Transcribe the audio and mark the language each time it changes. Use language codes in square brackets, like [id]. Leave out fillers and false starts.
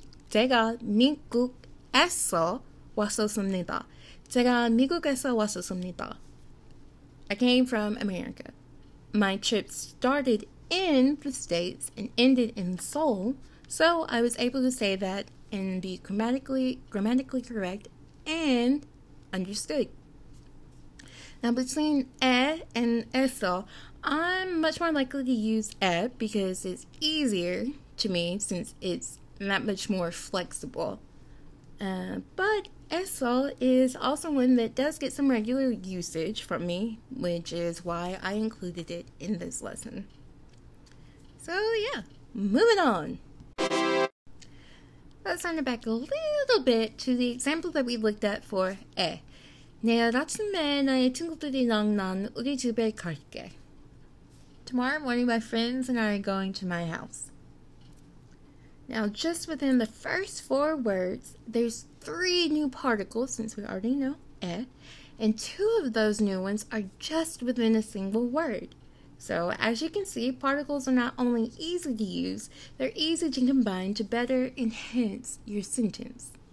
[ko] 제가 미국에서 왔었습니다. 제가 미국에서 왔었습니다. [en] I came from America. My trip started in the States and ended in Seoul. So, I was able to say that and be grammatically correct and understood. Now, between e and eso, I'm much more likely to use e because it's easier to me since it's that much more flexible. But eso is also one that does get some regular usage from me, which is why I included it in this lesson. So yeah, moving on. Let's turn it back a little bit to the example that we looked at for e. [ko] 내일 아침에 나의 친구들이랑 난 우리 집에 갈게. [en] Tomorrow morning, my friends and I are going to my house. Now, just within the first four words, there's three new particles, since we already know e, and two of those new ones are just within a single word. So, as you can see, particles are not only easy to use, they're easy to combine to better enhance your sentence.